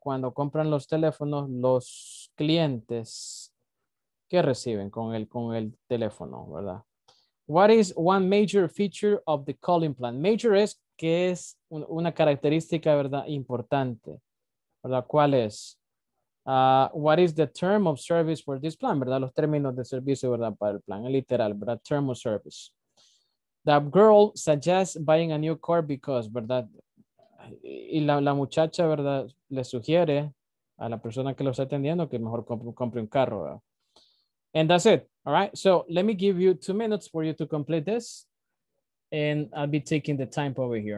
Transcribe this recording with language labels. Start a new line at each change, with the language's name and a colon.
Spanish: Cuando compran los teléfonos, los clientes, ¿qué reciben con el teléfono, ¿verdad?
English: What is one major feature of the calling plan?
Spanish: Major es que es una característica, ¿verdad? Importante, ¿verdad? ¿Cuál es?
English: What is the term of service for this plan, ¿verdad?
Spanish: Los términos de servicio, ¿verdad? Para el plan, literal, ¿verdad?
English: Term of service. The girl suggests buying a new car because, ¿verdad?
Spanish: Y la muchacha, ¿verdad? Le sugiere a la persona que lo está atendiendo que mejor compre un carro, ¿verdad?
English: And that's it. All right. So let me give you 2 minutes for you to complete this. And I'll be taking the time over here.